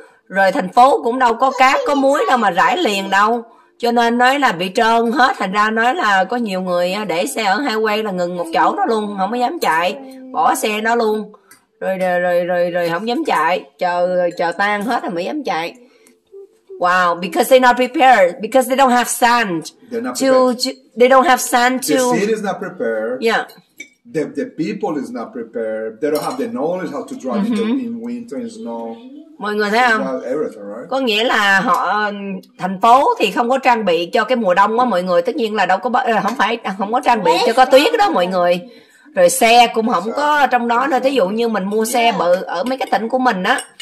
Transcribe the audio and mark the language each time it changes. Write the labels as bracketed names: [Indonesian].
[Vietnamese] Rồi thành phố cũng đâu có cát có muối đâu mà rải liền đâu, cho nên nói là bị trơn hết. Thành ra nói là có nhiều người để xe ở highway là ngừng một chỗ đó luôn, không có dám chạy, bỏ xe đó luôn. Rồi không dám chạy, chờ tan hết rồi mới dám chạy. [English] Wow, because they're not prepared, because they don't have sand. They're not prepared. They don't have sand to... The city is not prepared. Yeah. The people is not prepared. They don't have the knowledge how to drive it in winter and snow. [Vietnamese] Mọi người thấy không? [English] Everything, right? [Vietnamese] Có nghĩa là họ thành phố thì không có trang bị cho cái mùa đông á mọi người. Tất nhiên là đâu có, không phải, không có trang bị cho có tuyết đó mọi người. Rồi xe cũng không có trong đó nữa. Thí dụ như mình mua xe bự ở mấy cái tỉnh của mình á.